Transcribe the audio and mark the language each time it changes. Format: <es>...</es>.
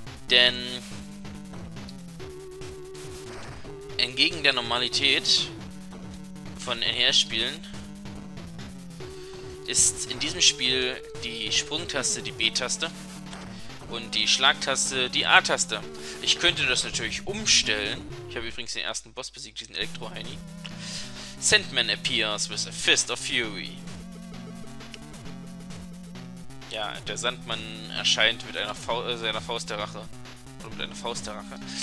<de>Denn entgegen der Normalität von NES-Spielen ist in diesem Spiel die Sprungtaste die B-Taste und die Schlagtaste die A-Taste. Ich könnte das natürlich umstellen. Ich habe übrigens den ersten Boss besiegt, diesen Elektro-Heini.</de> <en>Sandman appears with a fist of fury.</en> <de>Ja, der Sandmann erscheint mit einer Faust der Rache. Oder mit einer Faust der Rache.</de>